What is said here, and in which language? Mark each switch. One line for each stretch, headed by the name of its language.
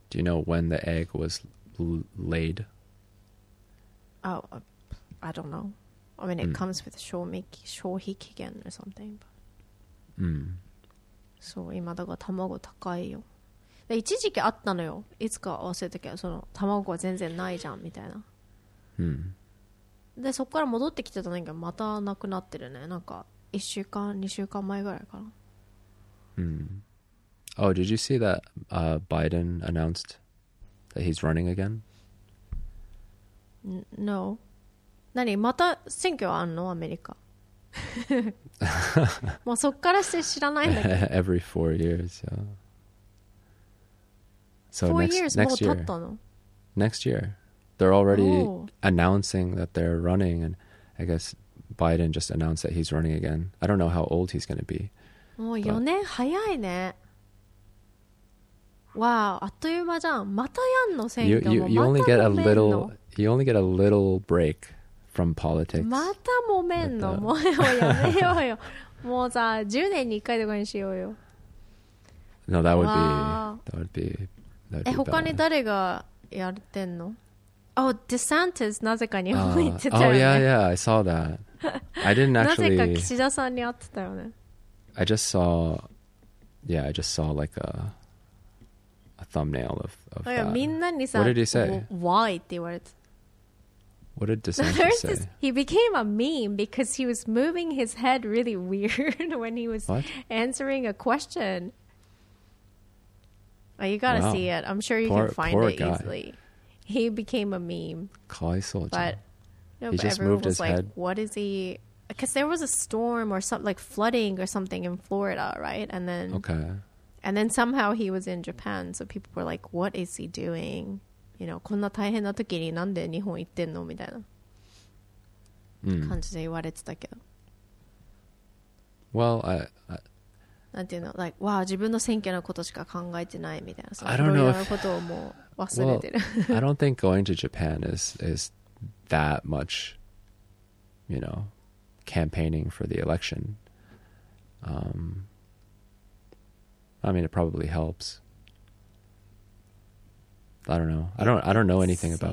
English: Do you know when the egg was laid? Oh, I don't know. I mean, it comes with shōhiki gen or something.
Japanese: So, 今だから卵高いよ。一時期あったのよ。いつか忘れたけど、その卵は全然ないじゃんみたいな。でそこから戻ってきてたんだけどまたなくなってるね。なんか1週間2週間前ぐらいかな。
English: Oh, did you see that Biden announced that he's running again? No.
Japanese: 何また選挙あんのアメリカ。もうそっからして知らないんだけど。
English: Every 4 years, yeah. So four years
Japanese: もう経ったの。
English: Next year, they're already announcing that they're running, and I guess Biden just announced that he's running again. I don't know how old he's going to be.
Japanese: もう4年早いね。わあ、あっという間じゃん。またやんの選挙も。
English: You only get a little. You only get a little break from politics.
Japanese: また揉めんの。もうやめようよ。もうさ、10年に1回とかにしようよ。
English: No, that would be. That would be. That would
Japanese: be. え、他に誰がやってんの？ Oh, DeSantis なぜか日本に行ってたよね。
English: Oh yeah, yeah. I saw that. I didn't actually.
Japanese: なぜか岸田さんに会ってたよね。
English: I just saw. Yeah, I just saw like a. thumbnail of that.
Japanese: みんなにさ、
English: What did he say?
Japanese: Why? って言われて。
English: What did DeSantis say? This, he became a meme because he was moving his head really weird when he was answering a question. Oh, you gotta see it. I'm sure you can find it easily. He became a meme.
Japanese: かわいそうじゃん。
English: But, no, he but just moved his head. Like, what is he... Because there was a storm or something, like flooding or something in Florida, right? And then... Okay. And then somehow he was in Japan, so people were like, what is he doing?
Japanese: You know, こんな大変な時になんで日本行ってんのみたいな感じで言われてたけど。
English: Well,
Japanese: なんていうの like, wow, 自分の選挙のことしか考えてないみたいな。
English: I don't know if...
Japanese: いろいろなことをもう忘れてる。
English: Well, I don't think going to Japan is that much, you know, campaigning for the election. I mean, it probably helps. I don't know. I don't know anything about.